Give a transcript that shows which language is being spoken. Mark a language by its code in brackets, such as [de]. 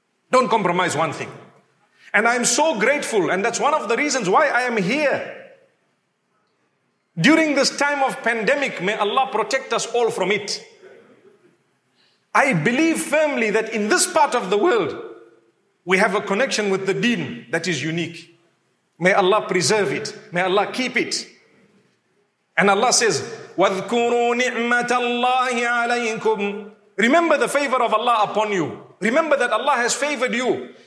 [en] Don't compromise one thing. And I'm so grateful, and that's one of the reasons why I am here. During this time of pandemic, may Allah protect us all from it. I believe firmly that in this part of the world, we have a connection with the deen that is unique. May Allah preserve it. May Allah keep it. And Allah says, [ar] وَذْكُرُوا نِعْمَةَ اللَّهِ عَلَيْكُمْ. [en] Remember the favor of Allah upon you. Remember that Allah has favored you.